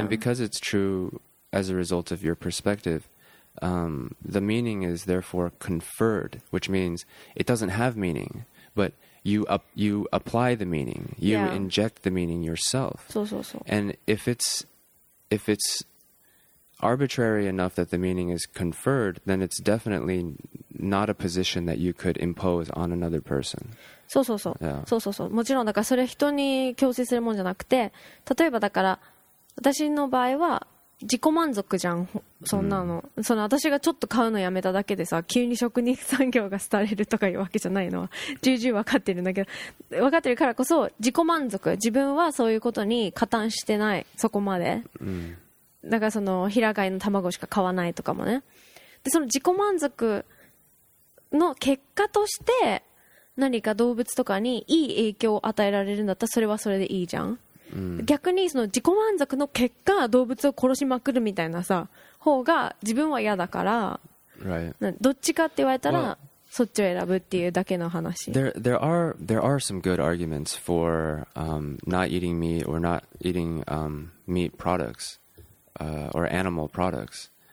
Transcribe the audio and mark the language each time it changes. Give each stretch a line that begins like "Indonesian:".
English: And because it's true as a result of your perspective, the meaning is therefore conferred, which means it doesn't have meaning, but you apply the meaning. You yeah. inject the meaning yourself. So, so, so. And if it's arbitrary enough that the meaning is conferred, then it's definitely... not a position that you could impose on another person.
Japanese: そうそうそう。
English: Yeah.
Japanese: そうそうそう。もちろんだからそれ人に強制するもんじゃなくて、例えばだから私の場合は自己満足じゃん。そんなの。Mm. その私がちょっと買うのやめただけでさ、急に食肉産業が廃れるとかいうわけじゃないのは重々わかってるんだけど、わかってるからこそ自己満足。自分はそういうことに加担してない。そこまで。 Mm. だからその平飼いの卵しか買わないとかもね。でその自己満足の結果として何か動物とかにいい影響を与えられるんだったらそれはそれでいいじゃん、うん、逆にその自己満足の結果動物を殺しまくるみたいなさ方が自分は嫌だから、
English: right.
Japanese: どっちかって言われたら、
English: well,
Japanese: そっちを選ぶっていうだけの話。
English: There are some good arguments for not eating meat or not eating meat products or animal products.